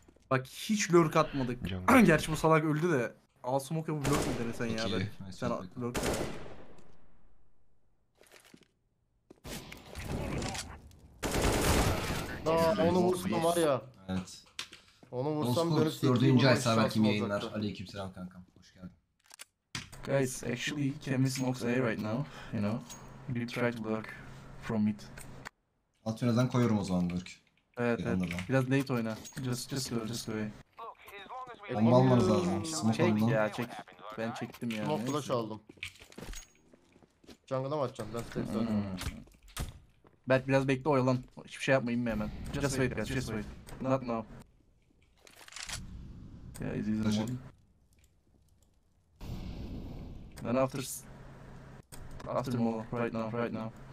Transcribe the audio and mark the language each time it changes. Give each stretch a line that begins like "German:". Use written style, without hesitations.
Turkish: Bak hiç lurk atmadık. Gerçi bu salak öldü de. Al smoke yapıp lurk mu denesen ya ben. Sen lurk de. Aa onu vursam var ya. Evet. Onu vursam dönüp sekiyor. Dördüncü ay sabah kim yayınlar. Aleyküm selam kankam. Hoş geldin.
English: Guys actually can we smoke A right now? You know? We try to lurk from mid.
Turkish: Altyazıdan koyuyorum o zaman lurk. Evet. Biraz late oyna.
English: Just go, just go.
Turkish: Bomba almanız lazım. Smoke aldım. Çek ya, çek. Ben çektim yani. Smoke flash aldım. Jungle'a mı atacağım? Ben safe zone. Berk biraz bekle oyalan. Hiçbir şey yapmayayım mı hemen?
English: Just wait guys, just wait. Not now. Ya, yeah, it's easy mode. Then after... After mode, right now, right now.